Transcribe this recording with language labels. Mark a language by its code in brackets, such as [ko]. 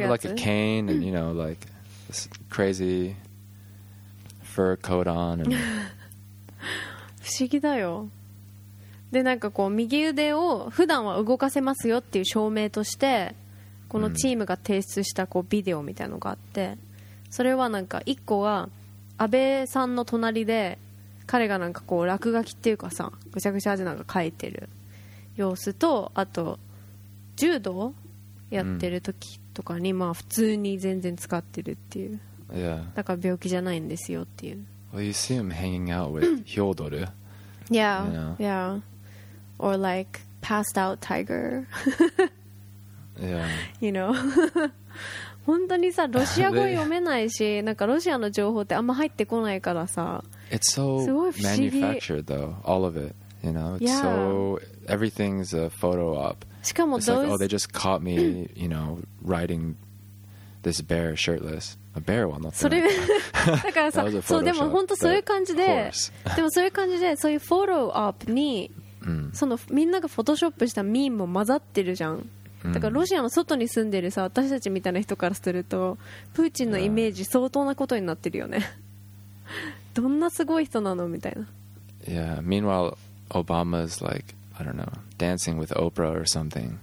[en] You have like a cane and you know like this crazy fur coat on. And [ja] 不思議だよ。でなんかこう右腕を普段は動かせますよっていう証明としてこのチームが提出したこうビデオみたいなのがあって、それはなんか一個は安倍さんの隣で。彼がなんかこう落書きっていうかさぐちゃぐちゃでなんか書いてる様子と、あと柔道やってる時とかに、まあ普通に全然使ってるっていう、 [en] yeah. [ja] だから病気じゃないんですよっていう。 [en] Well, you see him hanging out with Hyodor. Yeah, you know? Yeah. Or like passed out tiger. Yeah. You know. [ja] 本当にさロシア語読めないしなんかロシアの情報ってあんま入ってこないからさ、 [en] It's so manufactured though, all of it. You know, it's、yeah. so everything's a photo op. [ja] しかも [en] It's like, oh, they just caught me, you know, riding this bear shirtless. A bear one, not [ja] それだからさ、そうでも本当そういう感じで、でもそういう感じでそういうフォロー op に、そのみんながフォトショップしたミームも混ざってるじゃん。だからロシアの外に住んでるさ私たちみたいな人からするとプーチンのイメージ相当なことになってるよね。どんなすごい人なのみたいな。 [en] Yeah, meanwhile, Obama's like, I don't know, dancing with Oprah or something.